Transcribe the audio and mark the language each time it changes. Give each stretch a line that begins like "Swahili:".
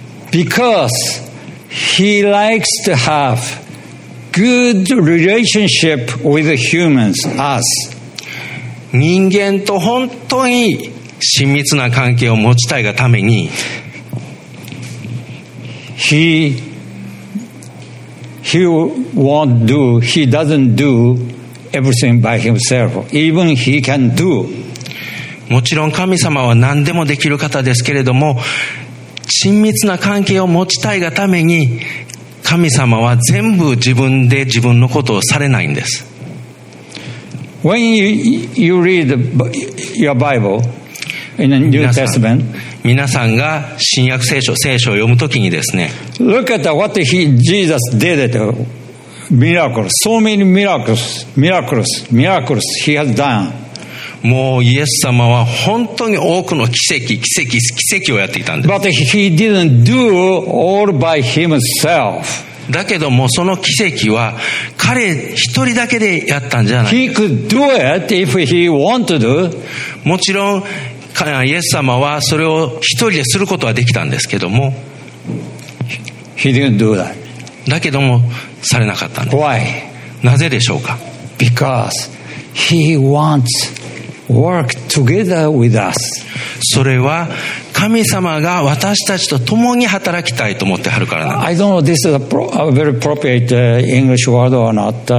English: Because He likes to haveGood relationship with humans, us.
Japanese: 人間と本当に親密な関係を持ちたいがために、
English: he doesn't do everything by himself. Even he can do.
Japanese: もちろん神様は何でもできる方ですけれども、親密な関係を持ちたいがために。神様は全部自分で自分のことをされないんです。
English: When you read your Bible in the New Testament,
Japanese: 皆さんが新約聖書を読むときにですね、
English: Look at what he Jesus did at miracles, so many miracles, miracles, miracles he has done.
Japanese: もうイエス様は本当に多くの奇跡をやっていたんです。
English: But he didn't do all by himself.
Japanese: だけどもその奇跡は彼一人だけでやったんじゃない。
English: He could do it if he wanted.
Japanese: もちろんイエス様はそれを一人ですることはできたんですけども
English: He didn't do that.
Japanese: だけどもされなかったんです。
English: Why?
Japanese: なぜでしょうか。
English: Because he wants work together with us.
Japanese: それは神様が私たちと共に働きたいと思ってはるからなんです。
English: I don't know this is a very appropriate English word or not.